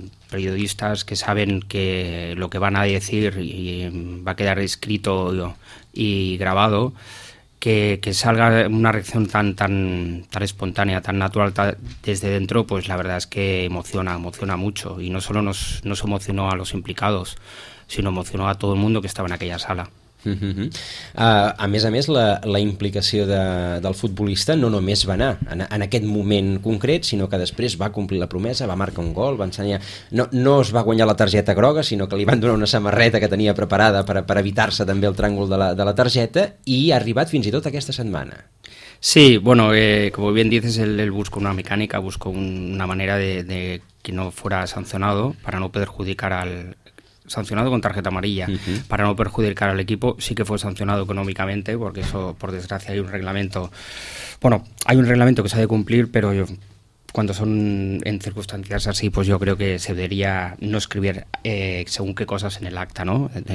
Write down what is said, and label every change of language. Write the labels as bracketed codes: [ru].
[es] periodistas que saben que lo que van a decir y va a quedar escrito y grabado, que salga una reacción tan espontánea, tan natural, desde dentro, pues la verdad es que emociona mucho. Y no solo nos emocionó a los implicados, sino emocionó a todo el mundo que estaba en aquella sala. [ca] A més, la implicació del futbolista no només va anar en aquest moment concret, sinó que després va complir la promesa, va marcar un gol, va ensenyar, no es va guanyar la targeta groga, sinó que li van donar una samarreta que tenia preparada per evitar-se també el tràngol de la targeta, i ha arribat fins i tot aquesta setmana. [es] Sí, bueno, como bien dices, él buscó una mecánica, buscó una manera de que no fuera sancionado, para no perjudicar al... sancionado con tarjeta amarilla, para no perjudicar al equipo. Sí que fue sancionado económicamente, porque eso, por desgracia, hay un reglamento que se ha de cumplir, pero yo, cuando son en circunstancias así, pues yo creo que se debería no escribir según qué cosas en el acta, ¿no?